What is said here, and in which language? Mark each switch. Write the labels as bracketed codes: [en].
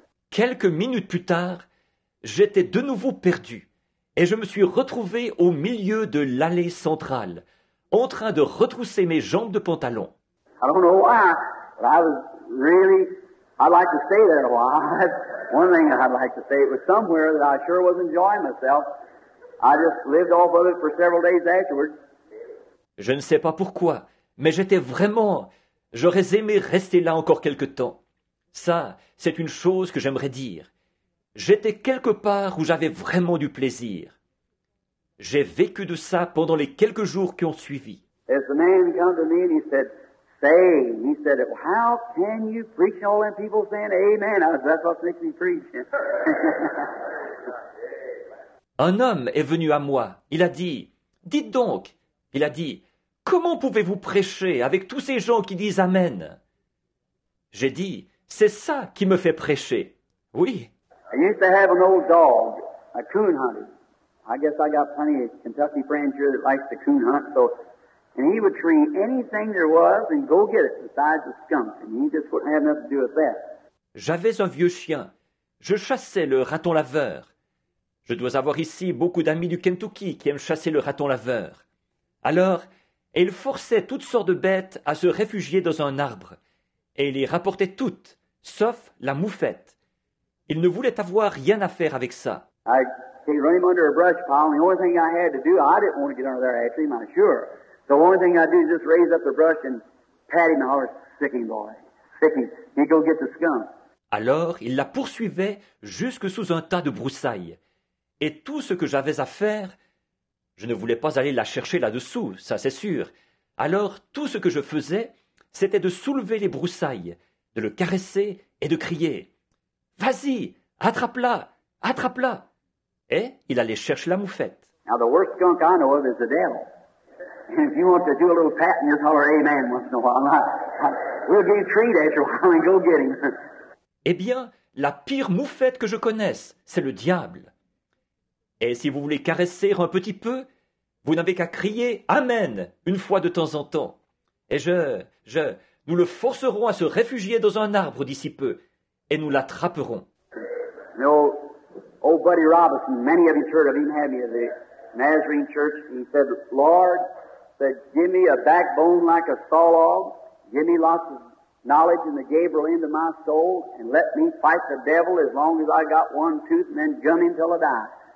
[fr] Quelques minutes plus tard, j'étais de nouveau perdu, et je me suis retrouvé au milieu de l'allée centrale, en train de retrousser mes jambes de pantalon. [en] I don't know why, but I was really... I'd like to stay there a while. One thing I'd like to say, it was somewhere that I sure was enjoying myself. I just lived off of it for several days afterwards. [fr] Je ne sais pas pourquoi, mais j'étais vraiment... J'aurais aimé rester là encore quelque temps. Ça, c'est une chose que j'aimerais dire. J'étais quelque part où j'avais vraiment du plaisir. J'ai vécu de ça pendant les quelques jours qui ont suivi. [en] As the man came to me and he said, say, he said, how can you preach all them people saying amen? I said, that's what makes me preach. [fr] Un homme est venu à moi. Il a dit, dites donc, il a dit, comment pouvez-vous prêcher avec tous ces gens qui disent amen? J'ai dit, c'est ça qui me fait prêcher. Oui. [en] I used to have an old dog, a coon hunter. I guess I got plenty of Kentucky friends here that likes to coon hunt, so... And he would tree anything there was and go get it besides the skunk. And he just wouldn't have nothing to do with that. [fr] J'avais un vieux chien. Je chassais le raton laveur. Je dois avoir ici beaucoup d'amis du Kentucky qui aiment chasser le raton laveur. Alors, il forçait toutes sortes de bêtes à se réfugier dans un arbre. Et il les rapportait toutes, sauf la moufette. Il ne voulait avoir rien à faire avec ça. [en] I came running under a brush pile. And the only thing I had to do, I didn't want to get under there actually, I'm not sure. The only thing I do is just raise up the brush and pat him and holler, sicking boy, sicking. You go get the skunk. [fr] Alors il la poursuivait jusque sous un tas de broussailles. Et tout ce que j'avais à faire, je ne voulais pas aller la chercher là-dessous, ça c'est sûr. Alors tout ce que je faisais, c'était de soulever les broussailles, de le caresser et de crier « Vas-y, attrape-la, attrape-la !» Et il allait chercher la moufette. [en] Now the worst skunk I know of is the devil. If you want to do a little patting, just holler amen once in a while. We'll get a treat at you while we go get him. [fr] Eh bien, la pire moufette que je connaisse, c'est le diable. Et si vous voulez caresser un petit peu, vous n'avez qu'à crier « Amen » une fois de temps en temps. Et nous le forcerons à se réfugier dans un arbre d'ici peu, et nous l'attraperons. [en] You know, old Buddy Robinson, many of you heard of him, have you, the Nazarene Church, he said, Lord, said, give me a backbone like a saw log, give me lots of knowledge in the Gabriel into my soul, and let me fight the devil as long as I got one tooth, and then gum him till I die.